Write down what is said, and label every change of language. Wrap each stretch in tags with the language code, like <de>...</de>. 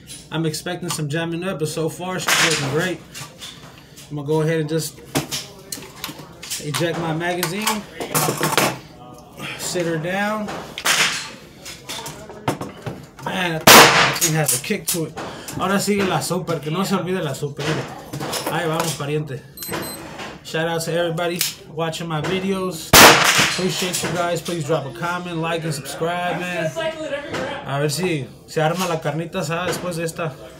<en>I'm expecting some jamming up, but so far she's looking great. I'm gonna go ahead and just eject my magazine. Sit her down. Man, that thing has a kick to it.</en> <es>Ahora sigue la super, que no se olvide la super. Ahí vamos, pariente.</es> <en>Shout out to everybody watching my videos. Appreciate you guys. Please drop a comment, like, and subscribe, man.</en> <es>A ver si se arma la carnita asada después de esta.</es>